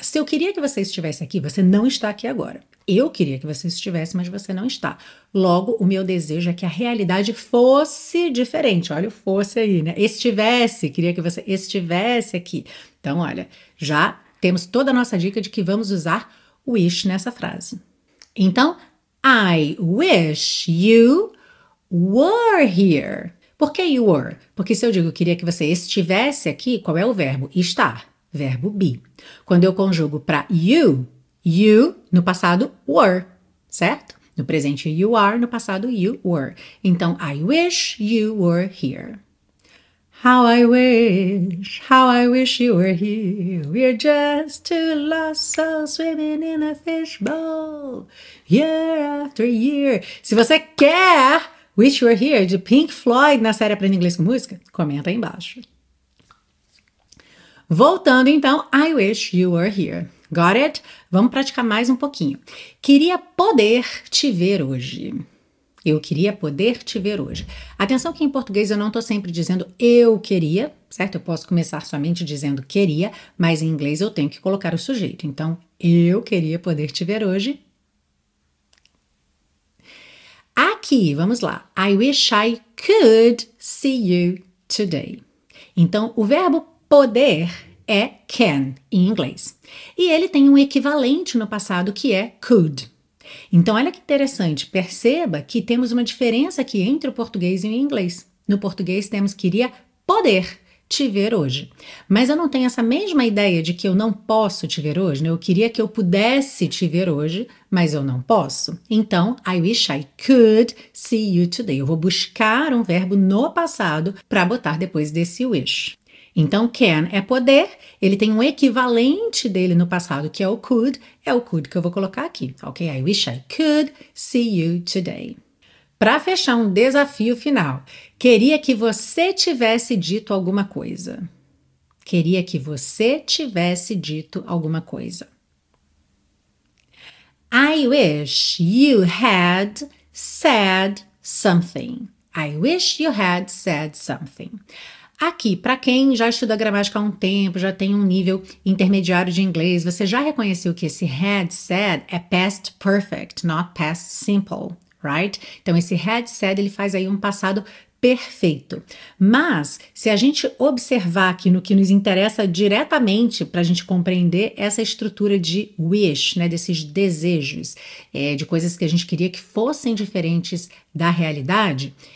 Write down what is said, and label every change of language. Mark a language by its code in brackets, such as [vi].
[pt] Se eu queria que você estivesse aqui, você não está aqui agora. Eu queria que você estivesse, mas você não está. Logo, o meu desejo é que a realidade fosse diferente. Olha o fosse aí, né? Estivesse, queria que você estivesse aqui. Então, olha, já temos toda a nossa dica de que vamos usar wish nessa frase. [en] Então, I wish you were here. [pt] Por que [en] you were? [pt] Porque se eu digo queria que você estivesse aqui, qual é o verbo? Estar. Verbo be. Quando eu conjugo para you, [en] you no passado were, [pt] certo? No presente [en] you are, [pt] no passado [en] you were. [pt] Então, [en] I wish you were here. How I wish you were here. We're just two lost souls swimming in a fishbowl, year after year. [pt] Se você quer Wish You Were Here de Pink Floyd na série Aprenda Inglês com Música, comenta aí embaixo. Voltando então, [en] I wish you were here. Got it? [pt] Vamos praticar mais um pouquinho. Queria poder te ver hoje. Eu queria poder te ver hoje. Atenção que em português eu não estou sempre dizendo eu queria, certo? Eu posso começar somente dizendo queria, mas em inglês eu tenho que colocar o sujeito. Então, eu queria poder te ver hoje. Aqui, vamos lá. [en] I wish I could see you today. [pt] Então, o verbo poder é can em inglês. E ele tem um equivalente no passado que é could. Então, olha que interessante, perceba que temos uma diferença aqui entre o português e o inglês. No português temos queria poder te ver hoje. Mas eu não tenho essa mesma ideia de que eu não posso te ver hoje, né? Eu queria que eu pudesse te ver hoje, mas eu não posso. [en] Então, I wish I could see you today. [pt] Eu vou buscar um verbo no passado para botar depois desse wish. Então, can é poder, ele tem um equivalente dele no passado, que é o could que eu vou colocar aqui, ok? I wish I could see you today. Para fechar um desafio final, queria que você tivesse dito alguma coisa. Queria que você tivesse dito alguma coisa. [en] I wish you had said something. I wish you had said something. [pt] Aqui, para quem já estuda gramática há um tempo, já tem um nível intermediário de inglês, você já reconheceu que esse had said é [en] past perfect, not past simple, right? [pt] Então, esse had said, ele faz aí um passado perfeito. Mas, se a gente observar aqui no que nos interessa diretamente para a gente compreender essa estrutura de wish, né, desses desejos, de coisas que a gente queria que fossem diferentes da realidade...